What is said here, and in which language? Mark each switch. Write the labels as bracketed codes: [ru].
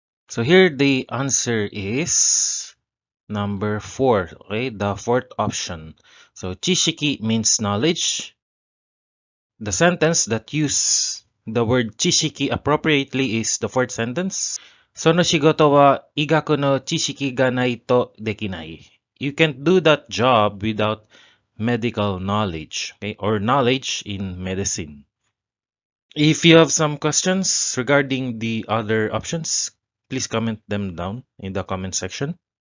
[en] So here the answer is number four, okay? The fourth option. So 知識 means knowledge. The sentence that use the word 知識 appropriately is the fourth sentence. [ja] その仕事は医学の知識がないとできない. [en] You can't do that job without medical knowledge, okay? Or knowledge in medicine. If you have some questions regarding the other options, please comment them down in the comment section.